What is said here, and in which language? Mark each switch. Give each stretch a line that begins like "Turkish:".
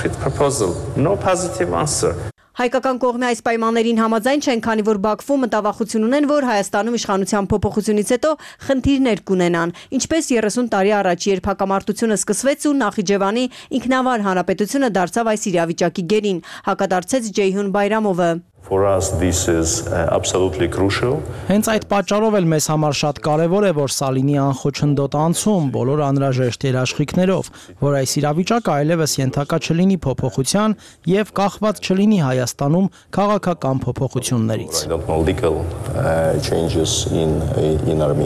Armenian: Հայկական կողմի այս պայմաններին համաձայն չեն, քանի որ Բաքվում մտավախություն ունեն, որ Հայաստանում իշխանության փոփոխությունից հետո խնդիրներ կունենան, ինչպես 30 տարի առաջ, երբ հակամարտությունը սկսվեց ու Նախիջևանի ինքնավար հանրապետությունը դարձավ այս իրավիճակի գերին, հակադարձեց Ջեյհուն Բայրամովը։
English: For us, this is absolutely crucial.
Armenian: Հենց այդ պատճառով էլ մեզ համար շատ կարևոր է, որ սա լինի անխոչնդոտ անցում բոլոր անհրաժեշտ երաշխիքներով, որ այս իրավիճակը այլևս ենթակա չլինի փոփոխության և կախված չլինի Հայաստանում քաղաքական փոփոխություններից.